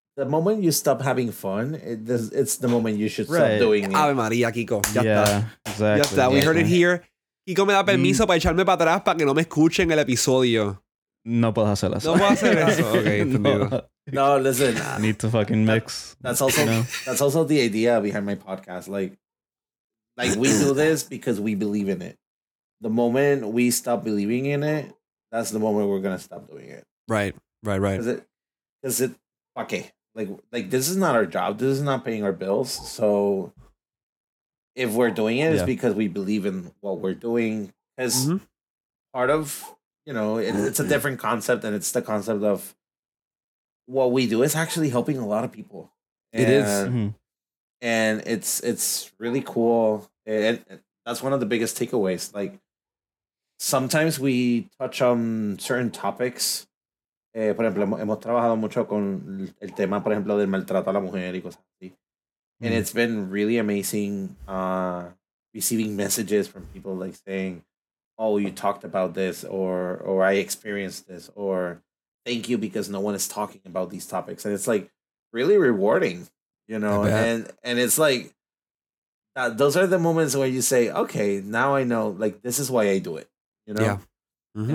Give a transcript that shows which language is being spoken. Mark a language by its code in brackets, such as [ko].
[en] The moment you stop having fun, it's the moment you should stop doing it. [es] Ave María, Kiko. Ya está. [en] Exactly. [es] Ya está. [en] We heard it here. [es] Kiko me da permiso para echarme para atrás para que no me escuchen el episodio. No puedo hacer eso. No puedo hacer eso. Okay, [en] no. No, listen. Need to fucking mix. That's also, you know? That's also the idea behind my podcast. Like we do this because we believe in it. The moment we stop believing in it, that's the moment we're going to stop doing it. Right. Is it? Okay. Like this is not our job. This is not paying our bills. So if we're doing it, it's because we believe in what we're doing. As part of, you know, it's a different concept, and it's the concept of what we do is actually helping a lot of people. And it's really cool. And that's one of the biggest takeaways. Like, sometimes we touch on certain topics. [es] Por ejemplo, hemos trabajado mucho con el tema, por ejemplo, del maltrato a la mujer y cosas así. [en] And it's been really amazing receiving messages from people like saying, oh, you talked about this, or I experienced this, or thank you because no one is talking about these topics. And it's like really rewarding, you know? And it's like, those are the moments where you say, okay, now I know, like, this is why I do it, you know? Yeah. Mm-hmm.